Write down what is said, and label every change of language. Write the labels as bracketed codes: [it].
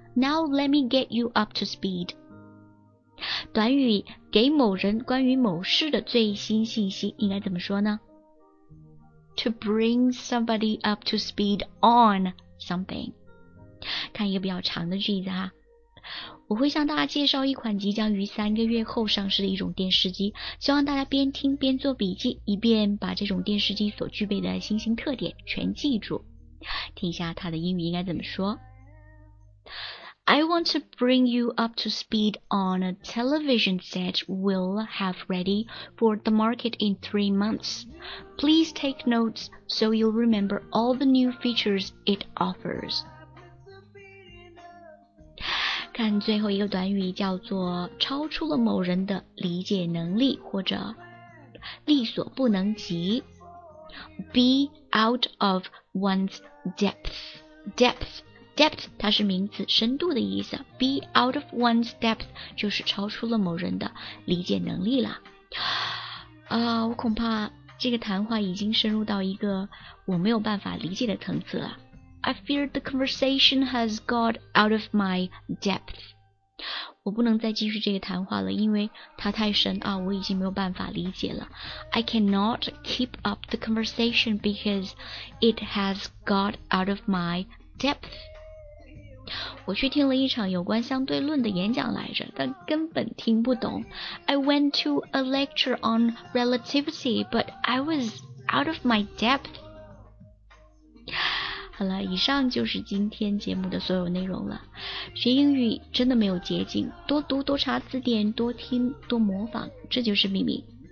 [en] Now let me get you up to speed. [zh] 短语给某人关于某事的最新信息应该怎么说呢？ [en] To bring somebody up to speed on something. [zh] 看一个比较长的句子哈。我会向大家介绍一款即将于三个月后上市的一种电视机，希望大家边听边做笔记，以便把这种电视机所具备的新型特点全记住。听一下它的英语应该怎么说。 [en] I want to bring you up to speed on a television set we'll have ready for the market in 3 months. Please take notes so you'll remember all the new features it offers. [zh] 看最后一个短语叫做超出了某人的理解能力或者力所不能及。 Be out of one's depth 它是名词，深度的意思。 Be out of one's depth 就是超出了某人的理解能力了。我恐怕这个谈话已经深入到一个我没有办法理解的层次了。 I fear the conversation has got out of my depth. 我不能再继续这个谈话了，因为它太深啊，我已经没有办法理解了。 [en] I cannot keep up the conversation because it has got out of my depth. [zh] 我去听了一场有关相对论的演讲来着，但根本听不懂。 [en] I went to a lecture on relativity, but I was out of my depth. [zh] 好了，以上就是今天节目的所有内容了。学英语真的没有捷径，多读多查字典，多听多模仿，这就是秘密。